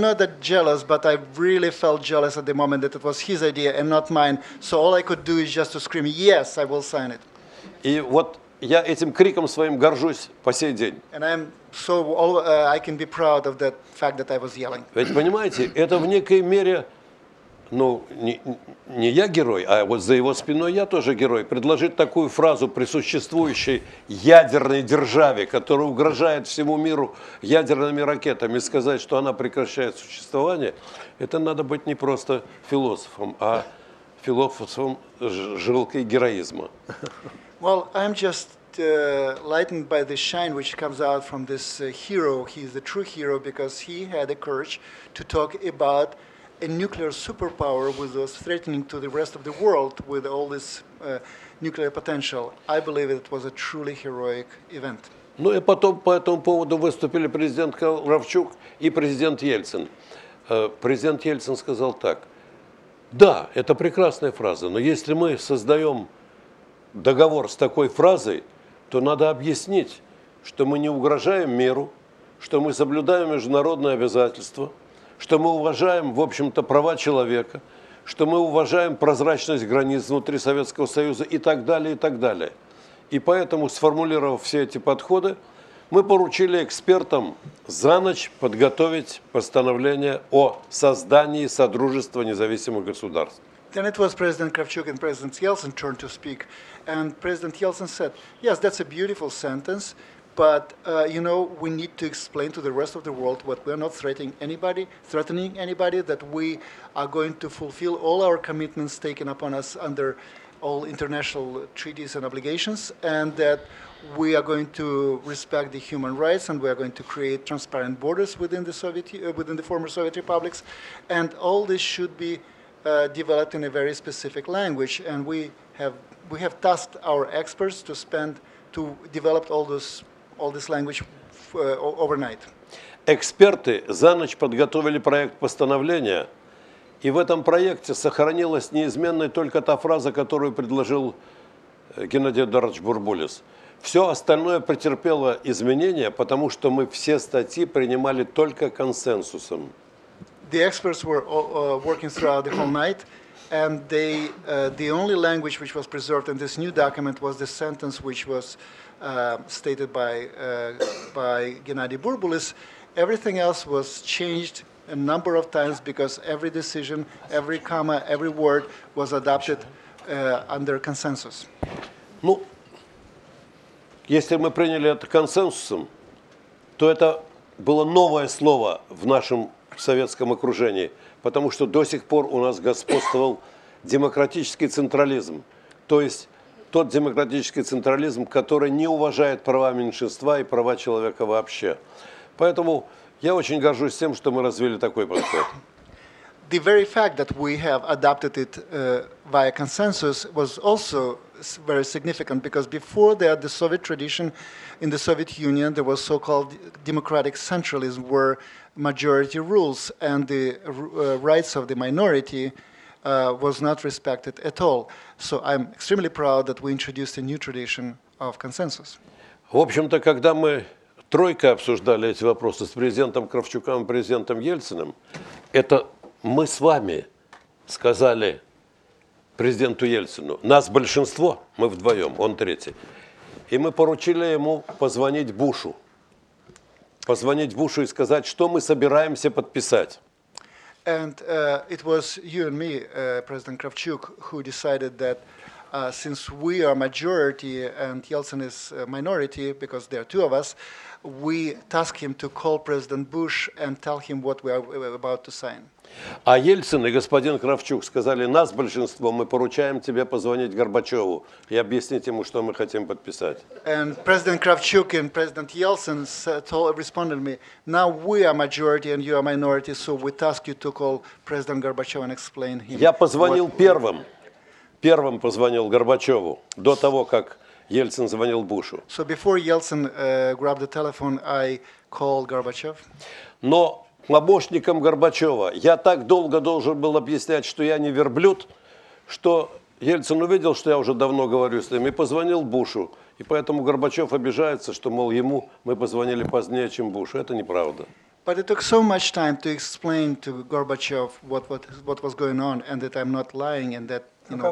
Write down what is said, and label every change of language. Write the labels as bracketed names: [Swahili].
[English] not that jealous, but I really felt jealous at the moment that it was his idea and not mine. So all I could do is just to scream, yes, I will sign it. [Russian] И вот я этим криком своим горжусь по сей день. [English] And I'm so all, I can be proud of that fact that I was yelling. [Russian] Ведь понимаете, это в некой мере, ну, не я герой, а вот за его спиной я тоже герой. Предложить такую фразу при существующей ядерной державе, которая угрожает всему миру ядерными ракетами, сказать, что она прекращает существование, это надо быть не просто философом, а философом жилкой героизма. [English] Well, I'm just lightened by the shine which comes out from this hero. He's the true hero because he had the courage to talk about a nuclear superpower was threatening to the rest of the world with all this nuclear potential. I believe it was a truly heroic event. [Russian] Ну и потом по этому поводу выступили президент Кравчук и президент Ельцин. Президент Ельцин сказал так: да, это прекрасная фраза, но если мы создаем договор с такой фразой, то надо объяснить, что мы не угрожаем миру, что мы соблюдаем международные обязательства, что мы уважаем, в общем-то, права человека, что мы уважаем прозрачность границ внутри Советского Союза и так далее, и так далее. И поэтому, сформулировав все эти подходы, мы поручили экспертам за ночь подготовить постановление о создании Содружества независимых государств. [English] Then it was President Kravchuk and President Yeltsin turned to speak. And President Yeltsin said, yes, that's a beautiful sentence, but, you know, we need to explain to the rest of the world that we're not threatening anybody, that we are going to fulfill all our commitments taken upon us under all international treaties and obligations, and that we are going to respect the human rights, and we are going to create transparent borders within the former Soviet republics. And all this should be developed in a very specific language, and we have tasked our experts to develop all this language overnight. [Russian] Эксперты за ночь подготовили проект постановления, и в этом проекте сохранилась неизменной только та фраза, которую предложил Геннадий Эдуардович Бурбулис. Все остальное претерпело изменения, потому что мы все статьи принимали только консенсусом. [English] The experts were working throughout the whole night, and the only language which was preserved in this new document was the sentence which was stated by Gennady Burbulis. Everything else was changed a number of times because every decision, every comma, every word was adopted under consensus. [Russian] Ну, если мы приняли это консенсусом, то это было новое слово в нашем в советском окружении, потому что до сих пор у нас господствовал демократический централизм, то есть тот демократический централизм, который не уважает права меньшинства и права человека вообще. Поэтому я очень горжусь тем, что мы развили такой подход. [English] The very fact that we have adopted it via consensus was also very significant because before that, the Soviet tradition in the Soviet Union, there was so-called democratic centralism where majority rules and the rights of the minority was not respected at all. So I'm extremely proud that we introduced a new tradition of consensus. [Russian] В общем-то, когда мы тройка обсуждали эти вопросы с президентом Кравчуком и президентом Ельциным, это мы с вами сказали президенту Ельцину, нас большинство, мы вдвоем, он третий, и мы поручили ему позвонить Бушу и сказать, что мы собираемся подписать. [English] And it was you and me, President Kravchuk, who decided that since we are majority and Yeltsin is minority, because there are two of us, we task him to call President Bush and tell him what we are about to sign. [Russian] А Ельцин и господин Кравчук сказали, нас большинство, мы поручаем тебе позвонить Горбачеву и объяснить ему, что мы хотим подписать. [English] And President Kravchuk and President Yeltsin responded me, now we are majority and you are minority, so we task you to call President Gorbachev and explain him. [Russian] Я позвонил первым позвонил Горбачеву до того, как Ельцин звонил Бушу. [English] So before Yeltsin grabbed the telephone, I called Gorbachev. [Russian] Но помощником Горбачева. Я так долго должен был объяснять, что я не верблюд, что Ельцин увидел, что я уже давно говорю с ним, и позвонил Бушу. И поэтому Горбачев обижается, что, мол, ему мы позвонили позднее, чем Бушу. Это неправда. [English] But it took so much time to explain to Gorbachev what was going on, and that I'm not lying, and that, you know,